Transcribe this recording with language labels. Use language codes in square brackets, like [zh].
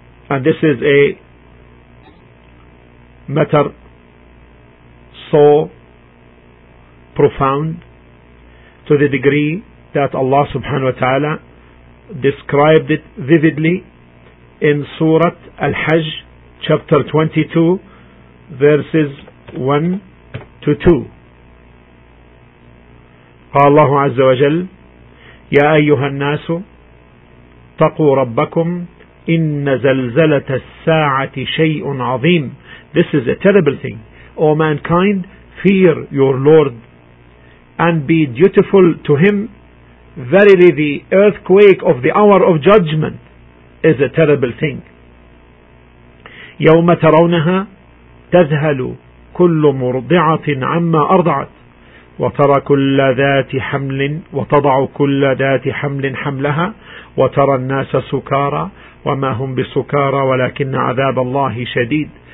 [en] And this is a matter so profound to the degree that Allah subhanahu wa ta'ala described it vividly in Surah Al-Hajj, chapter 22, verses 1-2. [ar] قال الله عز وجل يا أيها الناس تقوا ربكم إن زلزلة الساعة شيء عظيم. [en] This is a terrible thing. O mankind, fear your Lord and be dutiful to Him. Verily the earthquake of the hour of judgment is a terrible thing. [ar] يَوْمَ تَرَوْنَهَا تَذْهَلُ كُلُّ مُرْضِعَةٍ عَمَّا أَرْضَعَتْ وَتَرَى كُلَّ ذَاتِ حَمْلٍ وَتَضَعُ كُلَّ ذَاتِ حَمْلٍ حَمْلَهَا وَتَرَى النَّاسَ سُكَارَى وَمَا هُمْ بِسُكَارَى وَلَكِنَّ عَذَابَ اللَّهِ شَدِيدٌ.